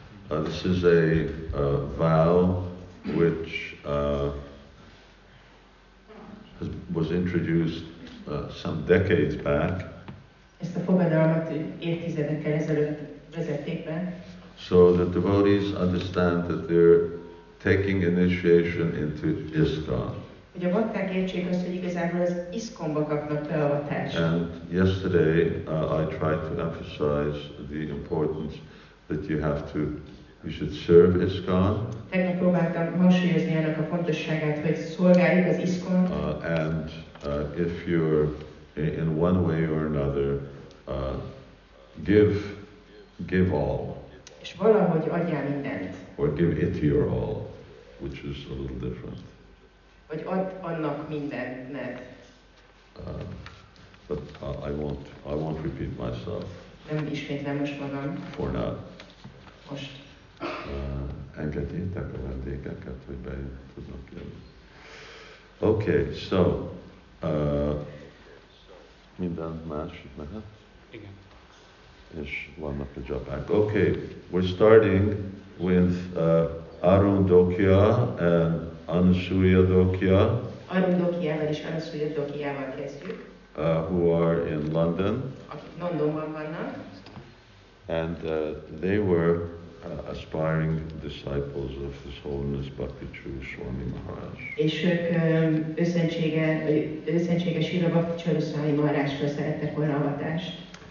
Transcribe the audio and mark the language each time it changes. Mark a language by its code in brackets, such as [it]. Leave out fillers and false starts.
[en] This is a vow which was introduced some decades back. So the devotees understand that they're taking initiation into ISKCON. [hu] Hogy a bakták értsék azt, hogy igazából az ISKCON-ba kapnak beavatást. [en] And yesterday I tried to emphasize the importance that you should serve ISKCON. [hu] Tegnap próbáltam hangsúlyozni annak a fontosságát, hogy szolgáljuk az ISKCON-t. [en] If you're in one way or another, give all. [hu] És valahogy adjál mindent. [en] Or give it your all, which is a little different. [hu] Vagy add annak mindent, [en] but I won't repeat myself. [hu] Nem ismétlem most magam. [en] For now. [hu] Most. engedjétek a vendégeket, hogy be tudnak jönni. [en] Okay, so [hu] minden más mehet? Igen. És vannak a japánk. [en] Okay, we're starting with Arun Dokia and Anusuya Dokia. [hu] Arun Dokiával és Anusuya Dokiával kezdjük. [en] Who are in London. [hu] Londonban vannak. [en] And they were aspiring disciples of His Holiness Bhakti Chuu Swami Maharaj. [hu] És ők összentsége Srila Bhakti Chuu Swami Maharajra szerettek volna avatást.